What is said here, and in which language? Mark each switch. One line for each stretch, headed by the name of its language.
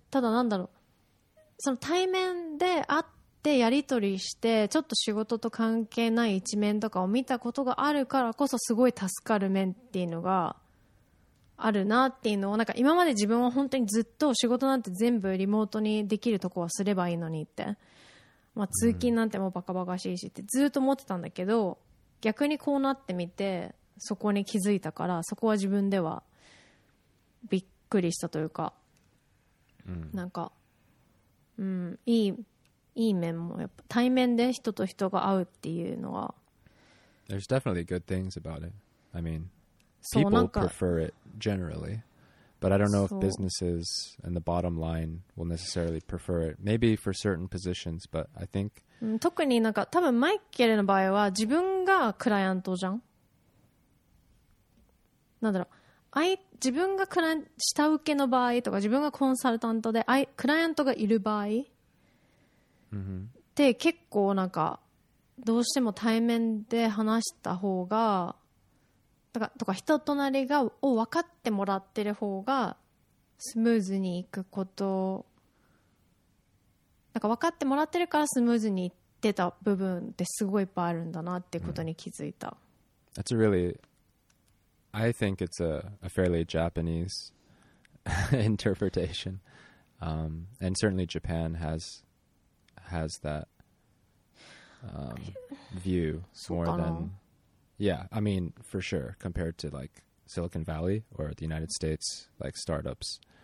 Japanese: ただなんだろう、その対面で会ってやり取りしてちょっと仕事と関係ない一面とかを見たことがあるからこそすごい助かる面っていうのがあるなっていうのを、なんか今まで自分は本当にずっと仕事なんて全部リモートにできるとこはすればいいのにって、まあ、通勤なんてもうバカバカしいしってずっと思ってたんだけど、逆にこうなってみてそこに気づいたから、そこは自分ではびっくりしたというか、うん、なんか、うん、いい面もやっぱ対面で人と人が会うっていうのは、
English: There's definitely good things about it. I mean, people prefer it generally, but I don't know if businesses and the bottom line will necessarily prefer it. Maybe for certain positions, but I think
Japanese: 特になんか多分マイケルの場合は自分がクライアントじゃん。なんだろう、自分がクライ下請けの場合とか自分がコンサルタントでクライアントがいる場合って結構なんかどうしても対面で話した方がとか人となりがを分かってもらってる方がスムーズにいくこと、なんか分かってもらってるからスムーズにいってた部分ってすごいいっぱいあるんだなってことに気づいた。
English: That's a really, I think it's a fairly Japanese interpretation, and certainly Japan has that view more than. Yeah, I mean, for sure, compared to like Silicon Valley or the United States, like startups.